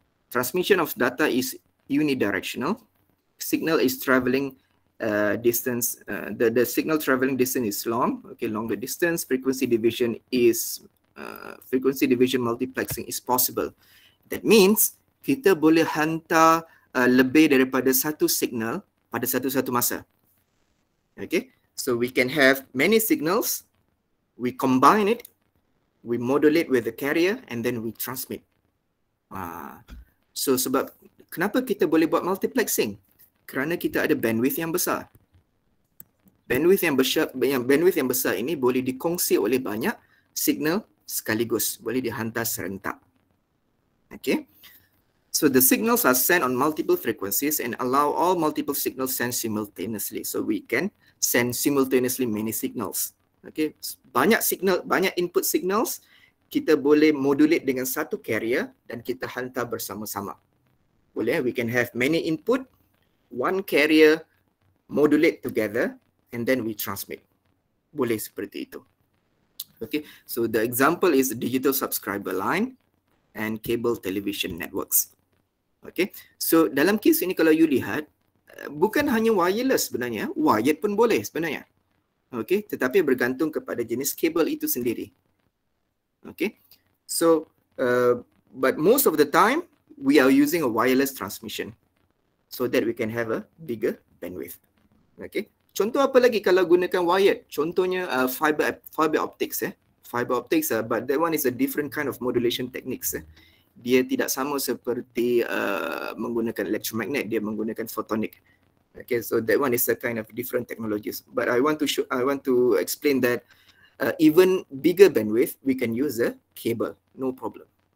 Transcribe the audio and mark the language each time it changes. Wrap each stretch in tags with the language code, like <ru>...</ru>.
<en>Transmission of data is unidirectional. Signal is traveling distance, the signal traveling distance is long, okay, longer distance. Frequency division is frequency division multiplexing is possible. That means</en> <ms>kita boleh hantar lebih daripada satu signal pada satu-satu masa.</ms> <en>Okay, so we can have many signals, we combine it, we modulate with the carrier, and then we transmit.</en> <ms>So sebab kenapa kita boleh buat multiplexing? Kerana kita ada bandwidth yang besar. Bandwidth yang besar ini boleh dikongsi oleh banyak signal sekaligus, boleh dihantar serentak.</ms> <en>Okay, so the signals are sent on multiple frequencies and allow all multiple signals sent simultaneously. So we can send simultaneously many signals. Okay,</en> <ms>banyak signal, banyak input signals, kita boleh modulate dengan satu carrier dan kita hantar bersama-sama.</ms> <en>Boleh, we can have many input, one carrier modulate together and then we transmit.</en> <ms>Boleh seperti itu.</ms> <en>Okay, so the example is digital subscriber line and cable television networks.</en> <ms>Okay, so dalam case ini kalau you lihat, bukan hanya wireless sebenarnya, wired pun boleh sebenarnya. Okay, tetapi bergantung kepada jenis kabel itu sendiri.</ms> <en>Okay, so but most of the time we are using a wireless transmission so that we can have a bigger bandwidth.</en> <ms>Okay, contoh apa lagi kalau gunakan wired? Contohnya fiber optics.</ms> <en>But that one is a different kind of modulation techniques.</en> <ms>Dia tidak sama seperti menggunakan electromagnet, dia menggunakan photonic.</ms> <en>Okay, so that one is a kind of different technologies. But I want to explain that even bigger bandwidth, we can use a cable, no problem.</en>